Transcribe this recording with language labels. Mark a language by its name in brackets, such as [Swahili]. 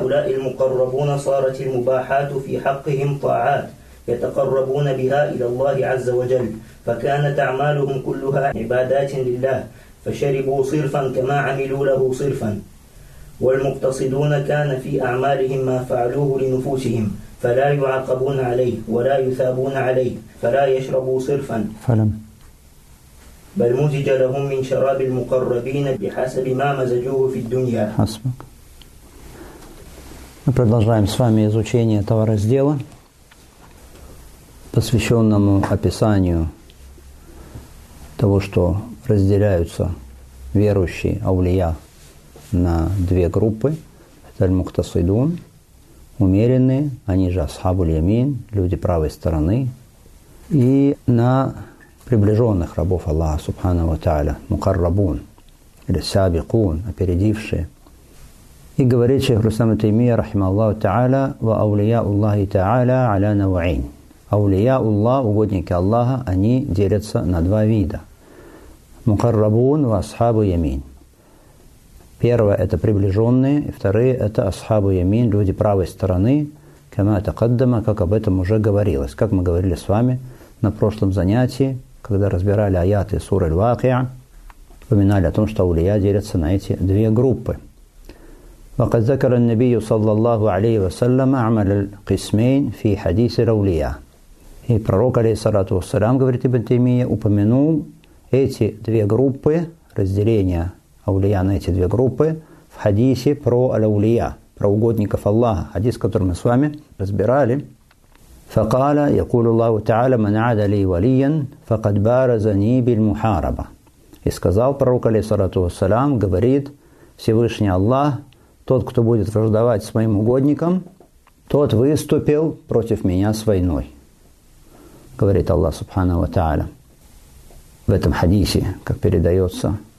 [Arabic] المقربون صارت المباحات في حقهم طاعات يتقربون بها إلى الله عز وجل فكانت أعمالهم كلها عبادات لله فشربوا صرفا كما عملوا له صرفا والمقتصدون كان في أعمالهم ما فعلوه لنفوسهم فلا يعاقبون عليه ولا يثابون عليه فلا يشربوا صرفا بل مزج لهم من شراب المقربين بحسب ما مزجوه في الدنيا. حسبك. [Russian] Мы продолжаем с вами изучение этого раздела, посвященному описанию того, что разделяются верующие аулия на две группы. Это аль-мухтасидун, умеренные, они же асхабуль-ямин, люди правой стороны, и на приближенных рабов Аллаха, субхана ва тааля, мукаррабун, или сабикун, опередившие. И говорит шейх Рустам ат-Таймия, рахималлаху тааля, [Arabic] ва аулия Аллахи тааля аля навуин. [Russian] Аулия Аллах, угодники Аллаха, они делятся на два вида. Мукаррабун ва асхабу ямин. Первое – это приближенные, и вторые – это асхабу ямин, люди правой стороны, [Arabic] кама такаддама, [Russian] как об этом уже говорилось. Как мы говорили с вами на прошлом занятии, когда разбирали аяты суры Аль-Вакия, упоминали о том, что аулия делятся на эти две группы. [Arabic] وقد ذكر النبي صلى الله عليه وسلم عمل القسمين في حديث الأولياء. [Russian] И пророк, алейхиссалату вассалям, говорит Ибн Таймия, упомянул эти две группы, разделение аулия на эти две группы, в хадисе про аль-аулия, про угодников Аллаха, хадис, который мы с вами разбирали. [Arabic] فقال يقول الله تعالى من عاد لي وليا فقد بارزني بالمحاربة. [Russian] И сказал пророк, алейхиссалату вассалям, говорит Всевышний Аллах, тот, кто будет враждовать с моим угодником, тот выступил против меня с войной. Говорит Аллах, субхана ва тааля, в этом хадисе, как передается.